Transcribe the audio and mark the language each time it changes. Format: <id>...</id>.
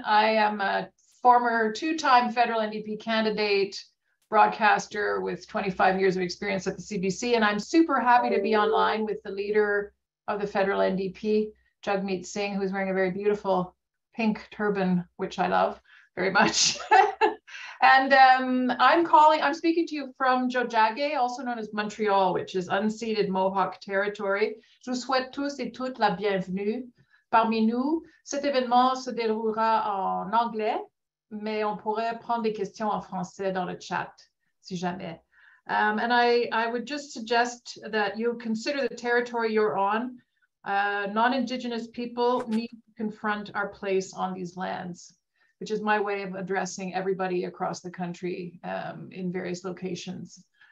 <en>I am a former two-time federal NDP candidate, broadcaster with 25 years of experience at the CBC, and I'm super happy to be online with the leader of the federal NDP, Jagmeet Singh, who's wearing a very beautiful pink turban, which I love very much. And I'm speaking to you from Jojage, also known as Montreal, which is unceded Mohawk territory.</en> <fr>Je vous souhaite tous et toutes la bienvenue parmi nous. Cet événement se déroulera en anglais, mais on pourrait prendre des questions en français dans le chat, si jamais.</fr> <en>And I would just suggest that you consider the territory you're on. Non-Indigenous people need to confront our place on these lands, which is my way of addressing everybody across the country in various locations.</en>